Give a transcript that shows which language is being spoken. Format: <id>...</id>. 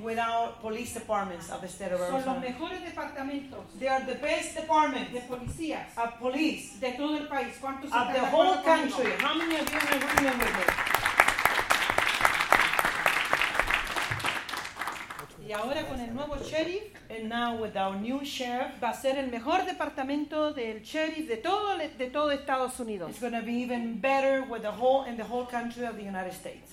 <en>with our police departments of the state of Arizona,</en> <es>son los mejores departamentos,</es> <en>they are the best departments,</en> <es>de policías,</es> <en>of police,</en> <es>de todo el país, ¿cuántos</es> <en>of the whole country, how many of you are agreeing with me?</en> <es>Y ahora con el nuevo sheriff,</es> <en>And now with our new sheriff,</en> <es>va a ser el mejor departamento del sheriff de todo Estados Unidos.</es> <en>It's going to be even better with the whole and the whole country of the United States.</en>